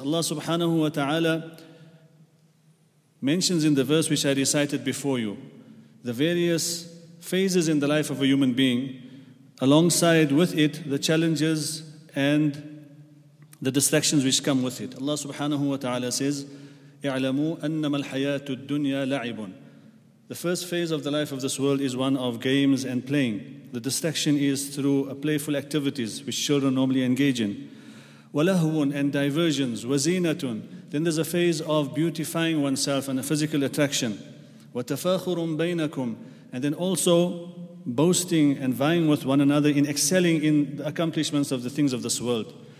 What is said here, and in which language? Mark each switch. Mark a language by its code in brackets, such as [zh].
[en] Allah subhanahu wa ta'ala mentions in the verse which I recited before you, the various phases in the life of a human being, alongside with it, the challenges and the distractions which come with it. Allah subhanahu wa ta'ala says, [ar] اعلموا أنما الحياة الدنيا لعب. [en] The first phase of the life of this world is one of games and playing. The distraction is through a playful activities which children normally engage in. وَلَهُونَ and diversions. وَزِينَةٌ then there's a phase of beautifying oneself and a physical attraction. [ar] وَتَفَاخُرٌ بَيْنَكُمْ [en] and then also boasting and vying with one another in excelling in the accomplishments of the things of this world.